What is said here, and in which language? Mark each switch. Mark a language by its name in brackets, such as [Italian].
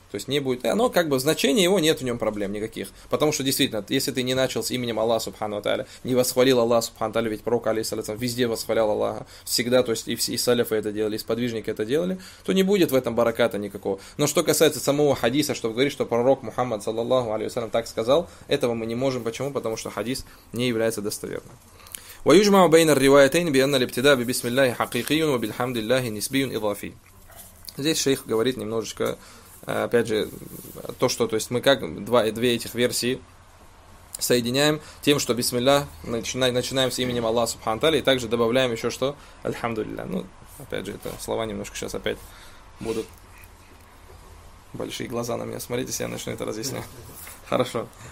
[Russian] То есть не будет, оно как бы, значения его нет в нем проблем никаких. Потому что действительно, если ты не начал с именем Аллаха Субхану Тааля, не восхвалил Аллаха Субхану Тааля, ведь пророк алейхи салям везде восхвалял Аллаха, всегда, то есть и саляфы это делали, и сподвижники это делали, то не будет в этом бараката никакого. Но что касается самого хадиса, что говорит, что пророк Мухаммад, саллаллаху алейхи салям, так сказал, этого мы не можем. Почему? Потому что хадис не является достоверным. [Arabic] ويجمع بين الروايتين بأن الابتداء ببسم الله حقيقي وبالحمد لله نسبي إضافي. [Russian] Здесь шейх говорит немножечко, опять же, то, что, то есть мы как две этих версии соединяем тем, что бисмилля начинаем с именем Аллаха Субхану Тааля, и также добавляем еще что альхамдулилля. Ну, опять же, это слова немножко сейчас опять будут большие глаза на меня смотреть, если я начну это разъяснять. Хорошо.